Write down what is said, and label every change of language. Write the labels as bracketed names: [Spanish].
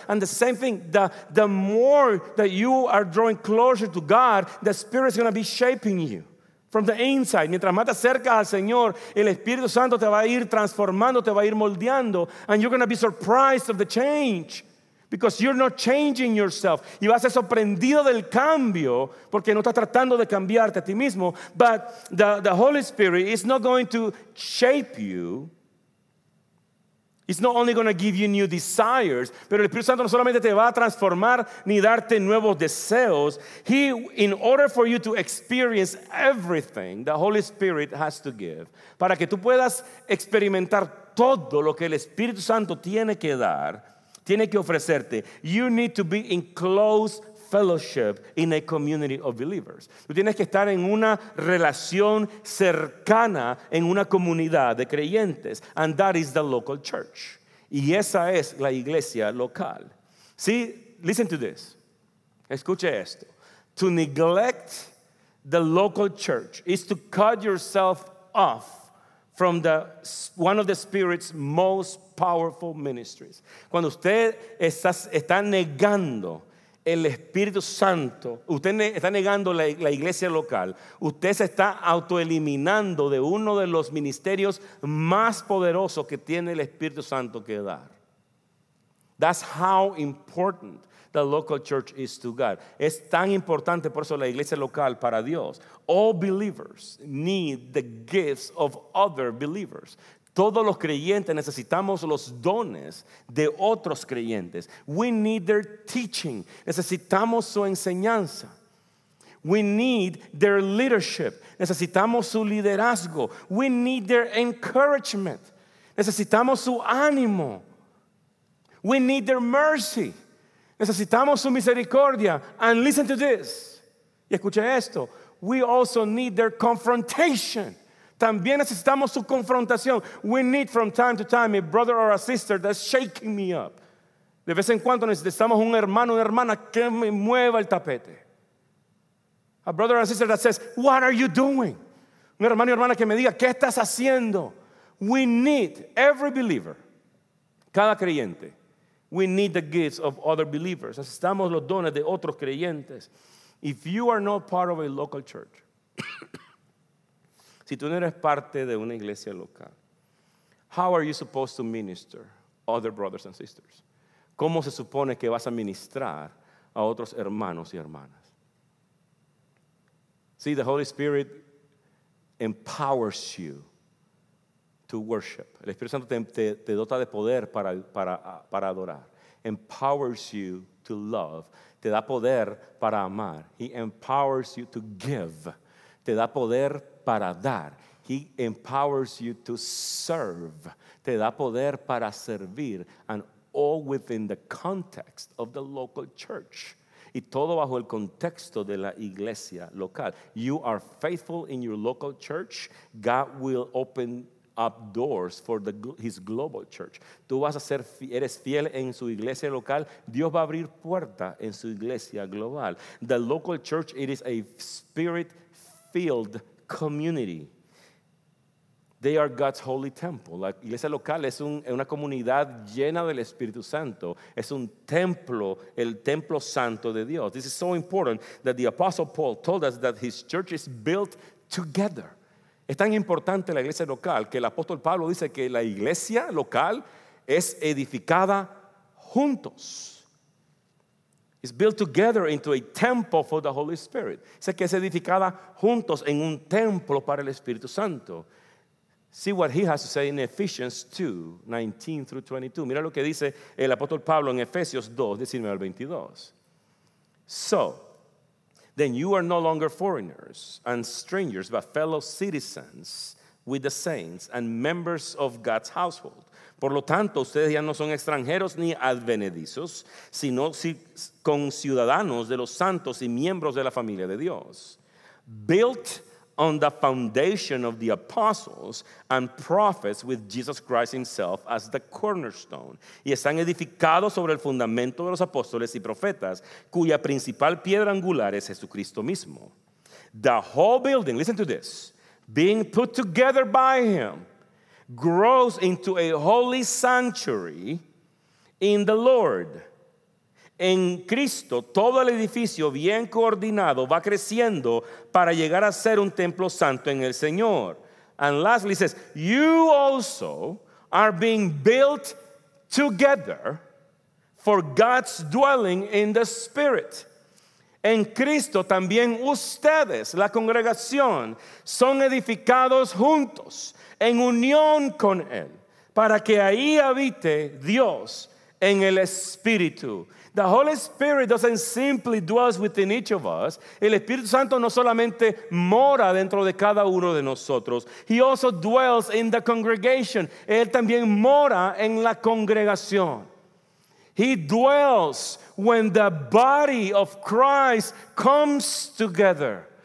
[English] And the same thing, the more that you are drawing closer to God, the Spirit is going to be shaping you from the inside. [Spanish] Mientras más te acercas al Señor, el Espíritu Santo te va a ir transformando, te va a ir moldeando. [English] And you're going to be surprised of the change. Because you're not changing yourself. [Spanish] Y vas a ser sorprendido del cambio porque no estás tratando de cambiarte a ti mismo. [English] But the Holy Spirit is not going to shape you. It's not only going to give you new desires. [Spanish] Pero el Espíritu Santo no solamente te va a transformar ni darte nuevos deseos. [English] He, in order for you to experience everything the Holy Spirit has to give, [Spanish] para que tú puedas experimentar todo lo que el Espíritu Santo tiene que dar, tiene que ofrecerte. [English] You need to be in close fellowship in a community of believers. [Spanish] Tú tienes que estar en una relación cercana en una comunidad de creyentes. [English] And that is the local church. [Spanish] Y esa es la iglesia local. [English] See, listen to this. [Spanish] Escuche esto. [English] To neglect the local church is to cut yourself off from the one of the Spirit's most powerful ministries. [Spanish] Cuando usted está negando el Espíritu Santo, usted está negando la iglesia local, usted se está autoeliminando de uno de los ministerios más poderosos que tiene el Espíritu Santo que dar. [English] That's how important the local church is to God. [Spanish] Es tan importante por eso la iglesia local para Dios. [English] All believers need the gifts of other believers. [Spanish] Todos los creyentes necesitamos los dones de otros creyentes. [English] We need their teaching. [Spanish] Necesitamos su enseñanza. [English] We need their leadership. [Spanish] Necesitamos su liderazgo. [English] We need their encouragement. [Spanish] Necesitamos su ánimo. [English] We need their mercy. [Spanish] Necesitamos su misericordia. [English] And listen to this. [Spanish] Y escuche esto. [English] We also need their confrontation. [Spanish] También necesitamos su confrontación. [English] We need from time to time a brother or a sister that's shaking me up. [Spanish] De vez en cuando necesitamos un hermano o una hermana que me mueva el tapete. [English] A brother or a sister that says, what are you doing? [Spanish] Un hermano o hermana que me diga, ¿qué estás haciendo? [English] We need every believer, [Spanish] cada creyente. [English] We need the gifts of other believers. [Spanish] Necesitamos los dones de otros creyentes. [English] If you are not part of a local church, [Spanish] si tú no eres parte de una iglesia local, [English] how are you supposed to minister other brothers and sisters? [Spanish] ¿Cómo se supone que vas a ministrar a otros hermanos y hermanas? [English] See, the Holy Spirit empowers you to worship. [Spanish] El Espíritu Santo te dota de poder para adorar. [English] Empowers you to love. [Spanish] Te da poder para amar. [English] He empowers you to give. [Spanish] Te da poder para dar. [English] He empowers you to serve. [Spanish] Te da poder para servir. [English] And all within the context of the local church. [Spanish] Y todo bajo el contexto de la iglesia local. [English] You are faithful in your local church. God will open up doors for his global church. [Spanish] Tú vas a ser, eres fiel en su iglesia local. Dios va a abrir puerta en su iglesia global. [English] The local church, it is a spirit-filled community. They are God's holy temple. [Spanish] La iglesia local es una comunidad llena del Espíritu Santo. Es un templo, el templo santo de Dios. [English] This is so important that the Apostle Paul told us that his church is built together. [Spanish] Es tan importante la iglesia local que el apóstol Pablo dice que la iglesia local es edificada juntos. [English] It's built together into a temple for the Holy Spirit. [Spanish] Dice que es edificada juntos en un templo para el Espíritu Santo. [English] See what he has to say in Ephesians 2, 19 through 22. [Spanish] Mira lo que dice el apóstol Pablo en Efesios 2, 19 al 22. [English] So, then you are no longer foreigners and strangers, but fellow citizens with the saints and members of God's household. [Spanish] Por lo tanto, ustedes ya no son extranjeros ni advenedizos, sino con ciudadanos de los santos y miembros de la familia de Dios. [English] Built on the foundation of the apostles and prophets, with Jesus Christ himself as the cornerstone. [Spanish] Y están edificados sobre el fundamento de los apóstoles y profetas, cuya principal piedra angular es Jesucristo mismo. [English] The whole building, listen to this, being put together by him, grows into a holy sanctuary in the Lord. [Spanish] En Cristo, todo el edificio bien coordinado va creciendo para llegar a ser un templo santo en el Señor. [English] And lastly, says, you also are being built together for God's dwelling in the Spirit. [Spanish] En Cristo, también ustedes, la congregación, son edificados juntos en unión con Él para que ahí habite Dios en el Espíritu. [English] The Holy Spirit doesn't simply dwell within each of us. [Spanish] El Espíritu Santo no solamente mora dentro de cada uno de nosotros. [English] He also dwells in the congregation. [Spanish] Él también mora en la congregación. [English] He dwells when the body of Christ comes together.